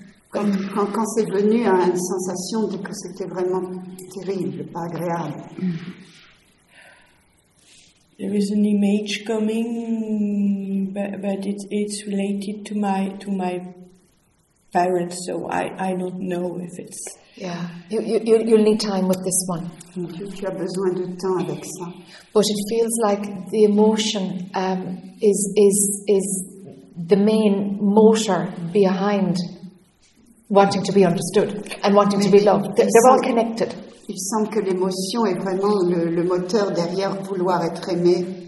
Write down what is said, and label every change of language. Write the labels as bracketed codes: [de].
[fr] Quand c'est venu à une sensation de que c'était vraiment terrible, pas agréable. [en] There is an image coming, but it's related to my parents, so I don't know if it's. Yeah, you'll need time with this one. Tu as besoin de temps avec ça. But it feels like the emotion is the main motor behind wanting to be understood and wanting to be loved. They're all connected. [fr] Il semble que l'émotion est vraiment le moteur derrière vouloir être aimé.